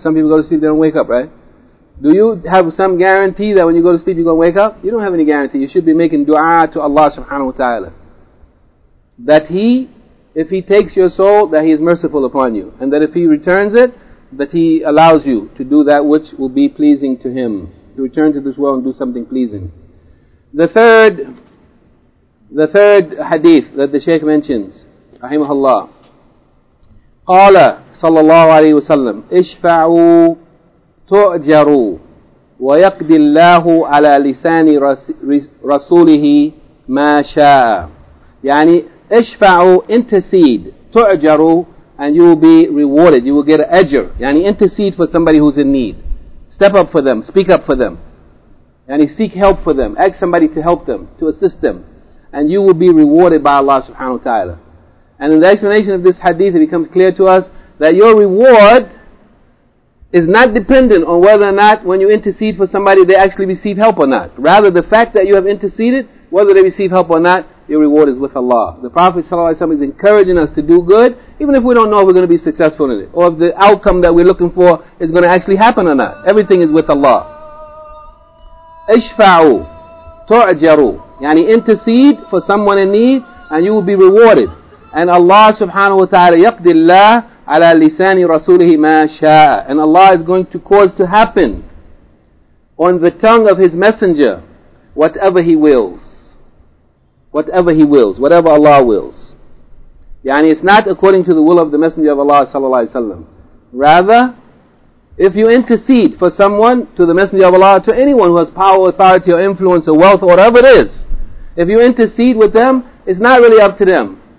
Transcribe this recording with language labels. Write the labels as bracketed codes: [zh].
[en] Some people go to sleep, they don't wake up, right? Do you have some guarantee that when you go to sleep, you're going to wake up? You don't have any guarantee. You should be making dua to Allah subhanahu wa ta'ala. That He, if He takes your soul, that He is merciful upon you. And that if He returns it, that He allows you to do that which will be pleasing to Him. To return to this world and do something pleasing. The third hadith that the Shaykh mentions, rahimahullah, [ar] قال صلى الله عليه وسلم اشفعوا تؤجروا ويقضي الله على لسان رسوله ما شاء. [en] اشفعوا, intercede, تؤجروا, and you will be rewarded, you will get an ajr. Intercede for somebody who's in need. Step up for them, speak up for them. Seek help for them. Ask somebody to help them, to assist them. And you will be rewarded by Allah subhanahu wa ta'ala. And in the explanation of this hadith, it becomes clear to us that your reward is not dependent on whether or not when you intercede for somebody, they actually receive help or not. Rather, the fact that you have interceded, whether they receive help or not, your reward is with Allah. The Prophet sallallahu alaihi wasallam is encouraging us to do good, even if we don't know if we're going to be successful in it, or if the outcome that we're looking for is going to actually happen or not. Everything is with Allah. [ar] اشفعوا تؤجروا [en] intercede for someone in need and you will be rewarded. And Allah subhanahu wa ta'ala [ar] يقضي الله على لسان رسوله ما شاء. [en] And Allah is going to cause to happen on the tongue of His messenger whatever He wills. Whatever Allah wills. It's not according to the will of the messenger of Allah sallallahu alayhi wa sallam. Rather, if you intercede for someone, to the Messenger of Allah, to anyone who has power, authority, or influence, or wealth, or whatever it is, if you intercede with them, it's not really up to them.